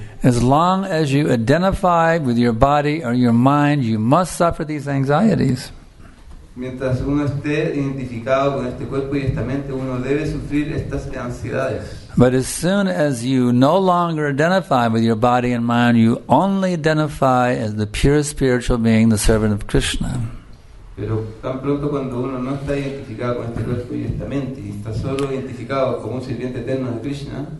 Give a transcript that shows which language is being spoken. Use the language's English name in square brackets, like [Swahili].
[English] As long as you identify with your body or your mind, you must suffer these anxieties. [Spanish] Mientras uno esté identificado con este cuerpo y esta mente, uno debe sufrir estas ansiedades. [English] But as soon as you no longer identify with your body and mind, you only identify as the pure spiritual being, the servant of Krishna. [Spanish] Pero tan pronto cuando uno no está identificado con este cuerpo y esta mente, y está solo identificado como un sirviente eterno de Krishna,